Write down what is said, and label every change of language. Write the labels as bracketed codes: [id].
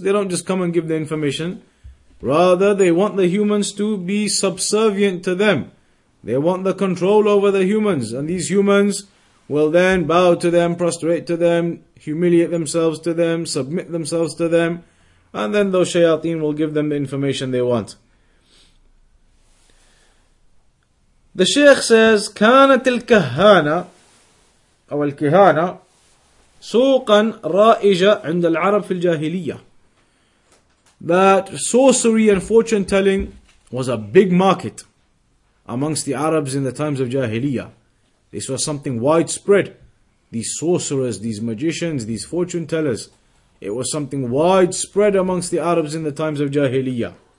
[en] They don't just come and give the information. Rather, they want the humans to be subservient to them. They want the control over the humans. And these humans will then bow to them, prostrate to them, humiliate themselves to them, submit themselves to them. And then those shayateen will give them the information they want. The Shaykh says, [ar] كانت الكهانة أو الكهانة سوقا رائجة عند العرب في الجاهلية. [en] That sorcery and fortune telling was a big market amongst the Arabs in the times of Jahiliyyah. This was something widespread. These sorcerers, these magicians, these fortune tellers, it was something widespread amongst the Arabs in the times of Jahiliyyah.